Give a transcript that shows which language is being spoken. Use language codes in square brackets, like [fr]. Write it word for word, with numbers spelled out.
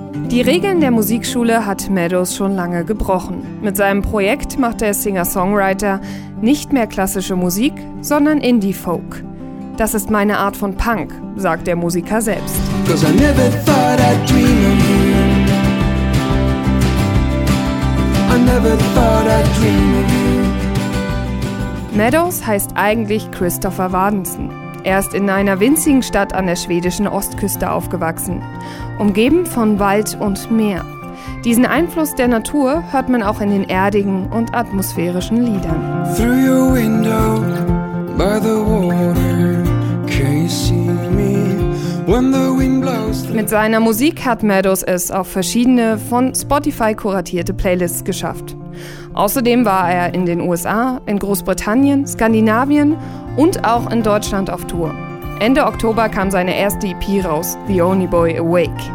[de] Die Regeln der Musikschule hat Meadows schon lange gebrochen. Mit seinem Projekt macht der Singer-Songwriter nicht mehr klassische Musik, sondern Indie-Folk. Das ist meine Art von Punk, sagt der Musiker selbst. [en] Cause I never thought I'd dream of you. I never thought I'd dream of you. [de] Meadows heißt eigentlich Christopher Wadensen. Er ist in einer winzigen Stadt an der schwedischen Ostküste aufgewachsen, umgeben von Wald und Meer. Diesen Einfluss der Natur hört man auch in den erdigen und atmosphärischen Liedern. [en] Through your window, by the water, can you see me when the wind blows? [de] Mit seiner Musik hat Meadows es auf verschiedene von Spotify kuratierte Playlists geschafft. Außerdem war er in den U S A, in Großbritannien, Skandinavien und auch in Deutschland auf Tour. Ende Oktober kam seine erste E P raus, The Only Boy Awake.